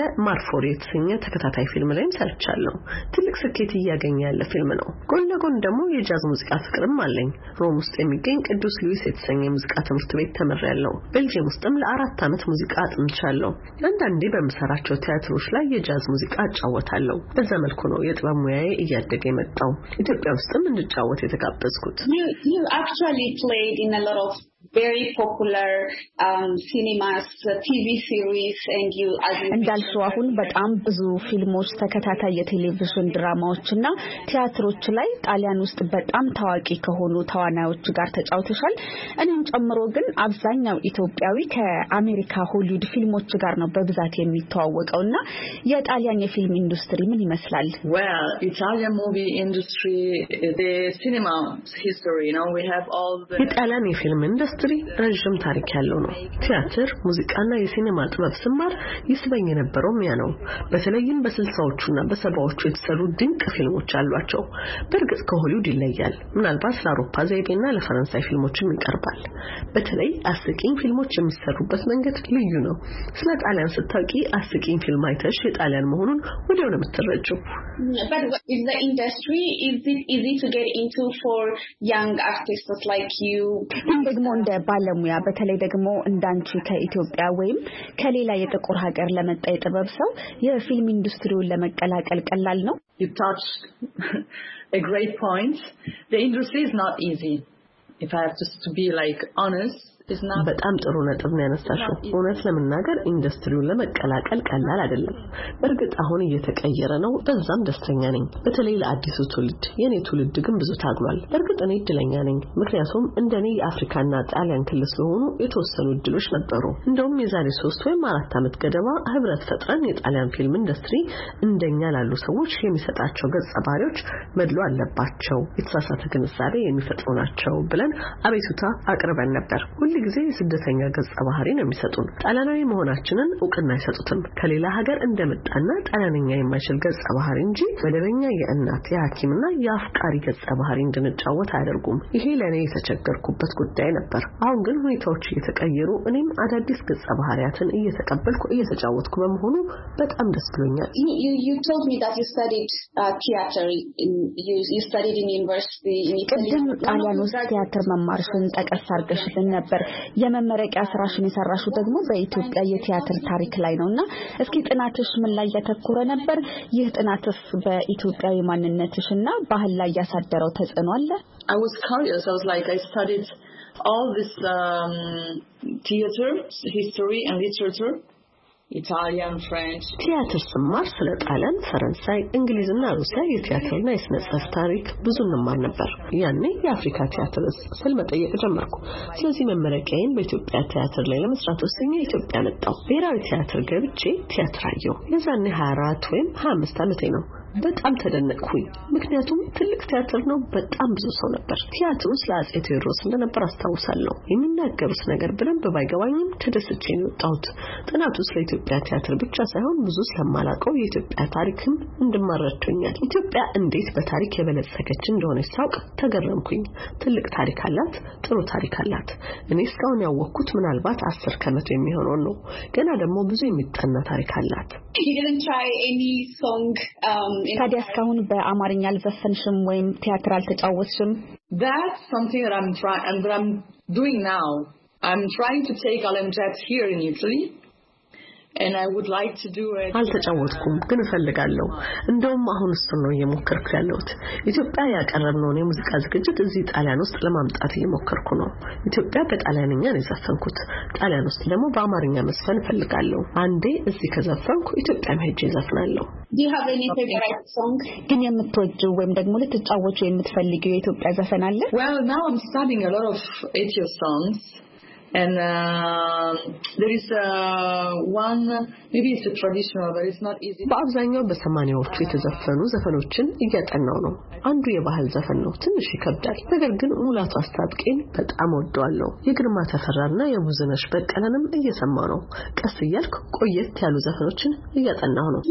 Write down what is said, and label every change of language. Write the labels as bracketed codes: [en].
[am] ማርፎር የተሰኘ ተከታታይ ፊልም ላይም ሰርቻለሁ። ትልቅ ስኬት እያገኘ ያለ ፊልም ነው። ጎን ለጎን ደግሞ የጃዝ ሙዚቃ ፍቅርም አለኝ። ሮም ውስጥ የሚገኝ ቅዱስ ሉዊስ የተሰኘ የሙዚቃ ትምህርት ቤት ተመርቻለሁ። ቤልጅየም ውስጥም ለአራት አመት ሙዚቃ አጥንቻለሁ። አንዳንዴ በመሰራቸው ቲያትሮች ላይ የጃዝ ሙዚቃ አጫውታለሁ። በዛ መልኩ ነው የጥበብ ሙያዬ እያደገ የመጣው። ኢትዮጵያ ውስጥም እንድጫወት የተጋበዝኩት። [en] You actually played in a lot of very popular cinemas, TV series, and you as [am] in እንዳልሽው አሁን በጣም ብዙ ፊልሞች፣ ተከታታይ የቴሌቪዥን ድራማዎችና ቲያትሮች ላይ ጣሊያን ውስጥ በጣም ታዋቂ ከሆኑ ተዋናዮች ጋር ተጫውተሻል። እኔም ጨምሮ ግን አብዛኛው ኢትዮጵያዊ ከአሜሪካ ሆሊውድ ፊልሞች ጋር ነው በብዛት የሚተዋወቀውና የጣሊያን የፊልም ኢንዱስትሪ ምን ይመስላል? [en] Well, Italian movie industry, the cinema history, you know, we have all the [am] ኢጣሊያን የፊልም ኢንዱስትሪ ረጅም ታሪክ ያለው ነው። ቲያትር፣ ሙዚቃና የሲኒማ ጥበብ ስማር ይስበኝ የነበረው ሚያ ነው። በተለይም በ60ዎቹና በ70ዎቹ የተሰሩ ድንቅ ፊልሞች አሏቸው። በርግጥ ከሆሊውድ ይለያል። ምናልባት ለአውሮፓ ዘይቤና ለፈረንሳይ ፊልሞችም ይቀርባል። በተለይ አስቂኝ ፊልሞች የሚሰሩበት መንገድ ልዩ ነው። ስለ ጣሊያን ስታውቂ አስቂኝ ፊልም አይተሽ የጣሊያን መሆኑን ወዲያው ነው የምትረጂው። [en] But is the industry, is it easy to get into for young artists like you? [am] ደግሞ እንደ ባለሙያ በተለይ ደግሞ እንዳንቺ ከኢትዮጵያ ወይም ከሌላ የጥቁር ሀገር ለመጣ የጥበብ ሰው የፊልም ኢንዱስትሪውን ለመቀላቀል ቀላል ነው? [en] You touched a great point. The industry is not easy. If I have to be like honest, [am] በጣም ጥሩ ነጥብ ነው ያነሳሽው። እውነት ለምናገር ኢንዱስትሪውን ለመቀላቀል ቀላል አይደለም። በርግጥ አሁን እየተቀየረ ነው፣ በዛም ደስተኛ ነኝ። በተለይ ለአዲሱ ትውልድ፣ የኔ ትውልድ ግን ብዙ ታግሏል። በርግጥ እኔ እድለኛ ነኝ፣ ምክንያቱም እንደኔ የአፍሪካና ጣሊያን ክልስ ለሆኑ የተወሰኑ እድሎች ነበሩ። እንደውም የዛሬ 3 ወይም 4 አመት ገደማ ህብረት ፈጥረን የጣሊያን ፊልም ኢንዱስትሪ እንደኛ ላሉ ሰዎች የሚሰጣቸው ገጸ ባህሪዎች መድሎ አለባቸው፣ የተሳሳተ ግንዛቤ የሚፈጥሩ ናቸው ብለን አቤቱታ አቅርበን ነበር። ለጊዜ የስደተኛ ገጸ ባህሪ ነው የሚሰጡን። ጣሊያናዊ መሆናችንን ዕውቅና አይሰጡትም። ከሌላ ሀገር እንደመጣና ጣሊያንኛ የማይችል ገጸ ባህሪ እንጂ መደበኛ የእናት የሐኪምና የአፍቃሪ ገጸ ባህሪ እንድንጫወት አያደርጉም። ይሄ ለኔ የተቸገርኩበት ጉዳይ ነበር። አሁን ግን ሁኔታዎች እየተቀየሩ እኔም አዳዲስ ገጸ ባህሪያትን እየተቀበልኩ እየተጫወትኩ በመሆኑ በጣም ደስ ብሎኛል። [en] You told me that you studied theater you studied in university in Italy. [am] ጣሊያን ውስጥ ቲያትር መማርሽን ጠቀስ አድርገሽልኝ ነበር። የመመረቂያ ስራሽን የሰራሽው ደግሞ በኢትዮጵያ የቲያትር ታሪክ ላይ ነውና እስኪ ጥናትሽ ምን ላይ ያተኮረ ነበር? ይህ ጥናትስ በኢትዮጵያ የማንነትሽና ባህል ላይ ያሳደረው ተጽዕኖ አለ? [en] I studied all this theater history and literature. Italian, French. [am] ቲያትር ስማር ስለ ጣሊያን፣ ፈረንሳይ፣ እንግሊዝና ሩሲያ የቲያትርና የስነ ጽሑፍ ታሪክ ብዙ እንማር ነበር። ያኔ የአፍሪካ ቲያትርስ ስል መጠየቅ ጀመርኩ። ስለዚህ መመረቂያዬን በኢትዮጵያ ቲያትር ላይ ለመስራት ወስኜ ኢትዮጵያ መጣሁ። ብሔራዊ ቲያትር ገብቼ ቲያትር አየሁ። የዛኔ 24 ወይም 25 ዓመቴ ነው። በጣም ተደነቅኩኝ፣ ምክንያቱም ትልቅ ቲያትር ነው፣ በጣም ብዙ ሰው ነበር። ቲያትሩ ስለ አጼ ቴዎድሮስ እንደነበር አስታውሳለሁ። የሚናገሩት ነገር በደንብ ባይገባኝም ተደስቼ ነው የወጣሁት። ጥናቱ ስለ ኢትዮጵያ ቲያትር ብቻ ሳይሆን ብዙ ስለማላውቀው የኢትዮጵያ ታሪክም እንድማር ረድቶኛል። ኢትዮጵያ እንዴት በታሪክ የበለጸገች እንደሆነ ሳውቅ ተገረምኩኝ። ትልቅ ታሪክ አላት፣ ጥሩ ታሪክ አላት። እኔ እስካሁን ያወቅኩት ምናልባት 10% የሚሆነው ነው። ገና ደግሞ ብዙ የሚጠና ታሪክ አላት። ታዲያ እስካሁን በአማርኛ አልዘፈንሽም ወይም ቲያትር አልተጫወትሽም? [en] That's something that I'm doing now. I'm trying to take Alan Jazz here in Italy and I would like to do it. [am] አልተጫወትኩም ግን ፈልጋለሁ። እንደውም አሁን ስለሆነ የሞከርኩ ያለሁት ኢትዮጵያ ያቀረብነው የሙዚቃ ዝግጅት እዚህ ጣሊያን ውስጥ ለማምጣት እየሞከርኩ ነው። ኢትዮጵያ በጣሊያንኛ ነው የዘፈንኩት። ጣሊያን ውስጥ ደግሞ በአማርኛ መስፈን ፈልጋለሁ። አንዴ እዚህ ከዘፈንኩ ኢትዮጵያም ሄጄ እዘፍናለሁ። [en] Do you have any favorite song? [am] ግን የምትወጂው ወይም ደግሞ ልትጫወቺው የምትፈልጊው የኢትዮጵያ ዘፈን አለ? [en] Well, now I'm studying a lot of Etio songs. And there is one, maybe it's a traditional, but it's not easy. [am] በአብዛኛው በሰማንያዎቹ የተዘፈኑ ዘፈኖችን እያጠናሁ ነው። አንዱ የባህል ዘፈን ነው፣ ትንሽ ይከብዳል። ነገር ግን ሙላቱ አስታጥቄን በጣም ወደዋለሁ። የግርማ ተፈራና የሙዝነሽ በቀለንም እየሰማሁ ነው። ቀስ እያልኩ ቆየት ያሉ ዘፈኖችን እያጠናሁ ነው።